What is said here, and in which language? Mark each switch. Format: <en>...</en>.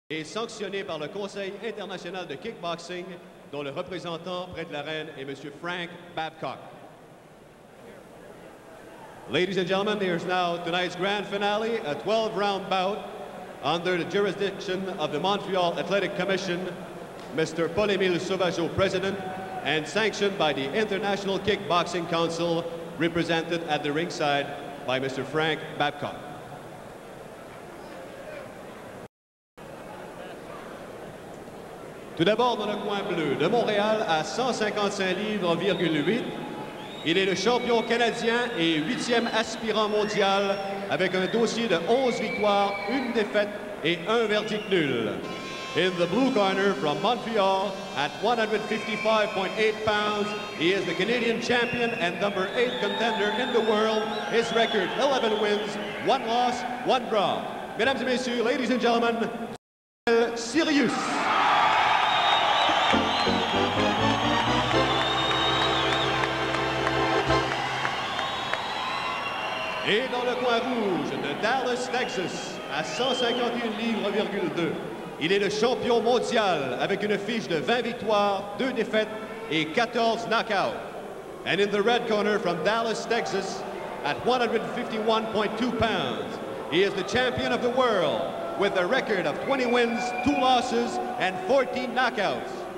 <fr>est sanctionné par le Conseil international de kickboxing, dont le représentant près de l'arène est M. Frank Babcock.</fr> <en>Ladies and gentlemen, there is now tonight's grand finale, a 12-round bout under the jurisdiction of the Montreal Athletic Commission, Mr. Paul-Émile Sauvageau, President, and sanctioned by the International Kickboxing Council, represented at the ringside by Mr. Frank Babcock.</en> <fr>Tout d'abord, dans le coin bleu, de Montréal à 155,8 livres, il est le champion canadien et 8e aspirant mondial avec un dossier de 11 victoires, une défaite et un verdict nul.</fr> <en>In the blue corner from Montreal at 155.8 pounds, he is the Canadian champion and number 8 contender in the world. His record, 11 wins, 1 loss, 1 draw.</en> <fr>Mesdames et messieurs,</fr> <en>ladies and gentlemen,</en> <fr>Sirius. Et dans le coin rouge de Dallas, Texas, à 151,2 livres, il est le champion mondial avec une fiche de 20 victoires, 2 défaites et 14 knockouts.</fr> <en>And in the red corner from Dallas, Texas, at 151.2 pounds, he is the champion of the world with a record of 20 wins, 2 losses and 14 knockouts.</en>